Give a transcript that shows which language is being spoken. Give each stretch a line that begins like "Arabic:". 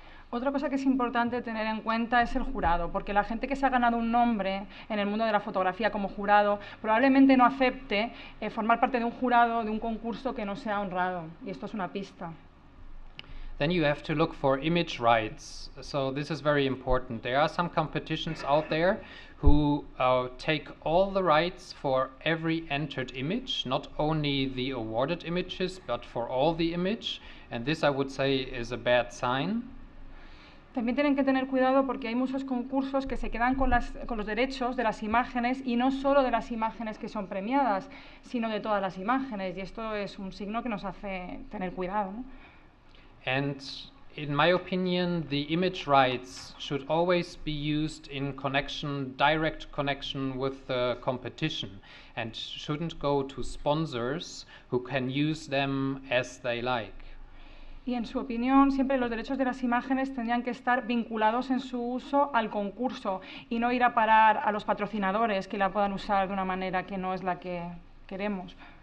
Spanish: Otra cosa que es importante tener en cuenta es el jurado, porque la gente que se ha ganado un nombre en el mundo de la fotografía como jurado probablemente no acepte formar parte de un jurado de un concurso que no sea honrado, y esto es una pista.
English: Then you have to look for image rights. So this is very important. There are some competitions out there who take all the rights for every entered image, not only the awarded images, but for all the image, and this I would say is a bad sign.
Spanish: También tienen que tener cuidado porque hay muchos concursos que se quedan con los derechos de las imágenes y no solo de las imágenes que son premiadas, sino de todas las imágenes, y esto es un signo que nos hace tener cuidado, ¿no?
English: And in my opinion, the image rights should always be used in connection, direct connection with the competition, and shouldn't go to sponsors who can use them as they like.
Spanish: Y en su opinión, siempre los derechos de las imágenes tendrían que estar vinculados en su uso al concurso y no ir a parar a los patrocinadores que la puedan usar de una manera que no es la que queremos.